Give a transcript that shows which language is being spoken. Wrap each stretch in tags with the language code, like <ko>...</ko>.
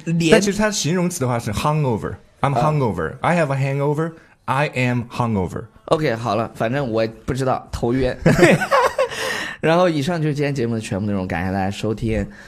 <zh>但其实它形容词的话是 hangover.</zh> <en>I'm hangover.、I have a hangover. I am hangover.</en> <zh>OK, 好了反正我不知道头晕。然后以上就是今天节目的全部内容感谢大家收听。</zh>